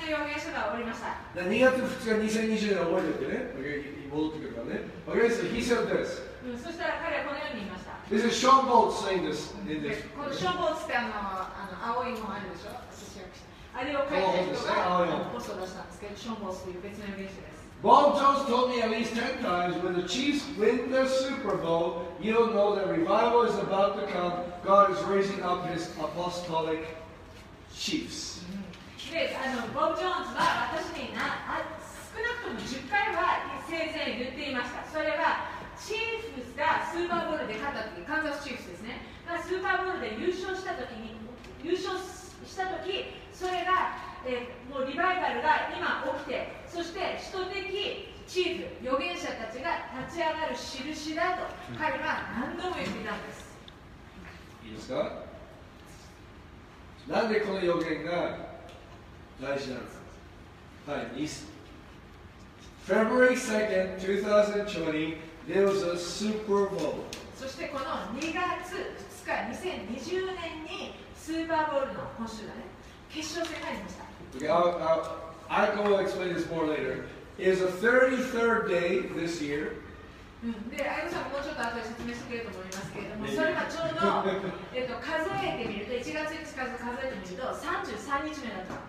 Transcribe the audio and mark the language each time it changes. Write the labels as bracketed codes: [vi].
[ja] 2月2日2020年覚えておいてね。 [en] Okay, [ja] 戻ってくるからね。 [en] Okay, so he said this. [ja] そしたら彼はこのように言いました。 [en] This is Sean Bolt saying this. [ja] このショーボーツってあの青いもあるでしょ。あれを書いた人がポストを出したんですけど、ショーボーツという別の名詞です。 [en] Bob Jones told me at least 10 times when the Chiefs win the Super Bowl, you don't know that revival is about to come. God is raising up his apostolic chiefs. [ja] であのボブ・ジョーンズは私にな少なくとも10回は生前言っていました。それはチーフスがスーパーボールで勝った時、カンザスチーフスですね、がスーパーボールで優勝した時に、優勝した時、それがもうリバイバルが今起きて、そして使徒的チーフ預言者たちが立ち上がる印だと彼は何度も言っていたんです。いいですか。なんでこの預言が大事なんです。 [en] はい、February 2nd, 2020, there was a Super Bowl. [ja] そしてこの2月2日2020年にスーパーボールの今週だね、決勝戦がありました。 [en] Okay, I can explain this more later. It's the 33rd day this year. [ja] で、アイコさんももうちょっと後で説明してくれると思いますけれども、それがちょうど数えてみると、1月1日数えてみると33日目だと。